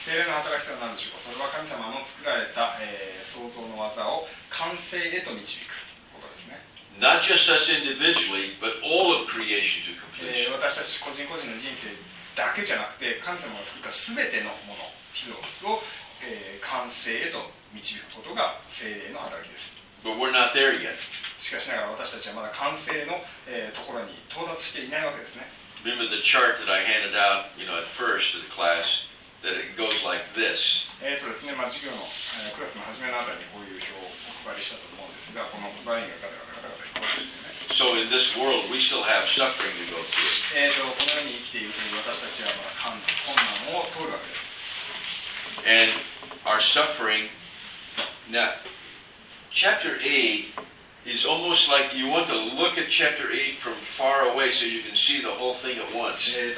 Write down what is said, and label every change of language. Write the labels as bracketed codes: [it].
[ja] 聖霊の働きとは何でしょうか。それは神様の作られた、創造の技を完成へと導くことですね。 [en] Not just us individually, but all of creation to completion. [ja] 私たち個人個人の人生だけじゃなくて、神様が作ったすべてのもの、非造物を、完成へと導くことが聖霊の働きです。 [en] But we're not there yet. [ja] しかしながら私たちはまだ完成の、ところに到達していないわけですね。 [en] Remember the chart that I handed out, you know, at first to the class, that it goes like this. [ja] ですね、まあ、授業の、クラスの始めのあたりにこういう表をお配りしたと思うんですが、このラインがガタガタガタガタ、こうですね。 [en] So in this world, we still have suffering to go through. [ja] この世に生きているときに私たちはまだ困難を通るわけです。 [en] And our suffering, now,Chapter 8 is almost like you want to look at chapter 8 from far away so you can see the whole thing at once.